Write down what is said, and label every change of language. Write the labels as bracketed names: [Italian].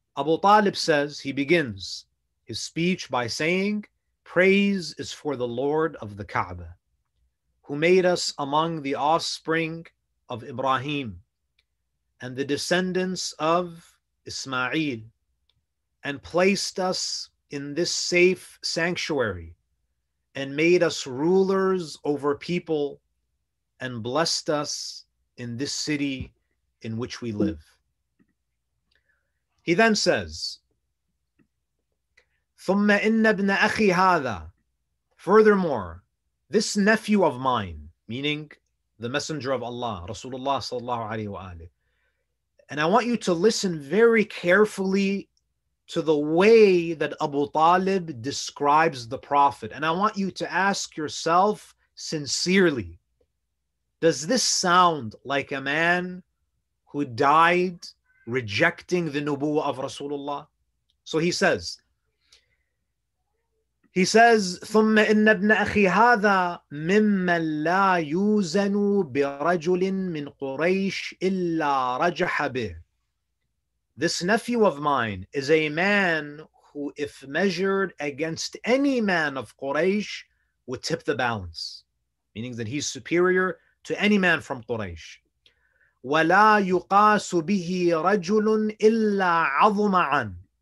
[English] Abu Talib says, he begins his speech by saying, praise is for the Lord of the Kaaba, who made us among the offspring of Ibrahim and the descendants of Ismail, and placed us in this safe sanctuary, and made us rulers over people, and blessed us in this city in which we live. He then says, [Arabic] ثُمَّ إِنَّ ابْنَ أَخِي هَذَا. [English] Furthermore, this nephew of mine, meaning the Messenger of Allah, Rasulullah sallallahu alayhi wa alayhi, and I want you to listen very carefully to the way that Abu Talib describes the Prophet. And I want you to ask yourself sincerely, does this sound like a man who died rejecting the Nubuwwah of Rasulullah? So he says, [Arabic] ثُمَّ إِنَّ ابْنَ أَخِي هَذَا مِمَّنْ لَا يُوزَنُ بِرَجُلٍ مِّنْ قُرَيْشِ إِلَّا رَجَحَ بِهِ. [English] This nephew of mine is a man who, if measured against any man of Quraysh, would tip the balance, meaning that he's superior to any man from Quraysh. [Arabic] وَلَا يُقَاسُ بِهِ رَجُلٌ إِلَّا عَظُمَعًا.